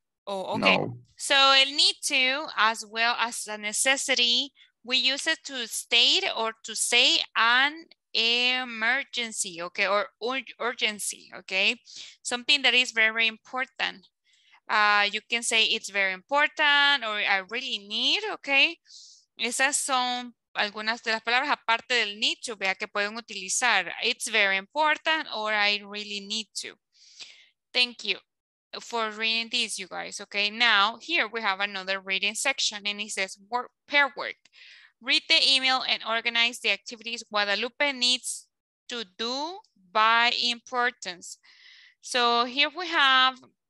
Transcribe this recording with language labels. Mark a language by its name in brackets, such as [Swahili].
[English] Oh, okay. No. So el need to, as well as a necessity, we use it to state or to say an emergency, okay, or urgency, okay, something that is very important. You can say it's very important or I really need, okay. [Spanish] Esas son algunas de las palabras aparte del need to, vea, que pueden utilizar. [English] It's very important or I really need to. Thank you for reading these, you guys. Okay, now here we have another reading section and it says work, pair work. Read the email and organize the activities Guadalupe needs to do by importance. So here we have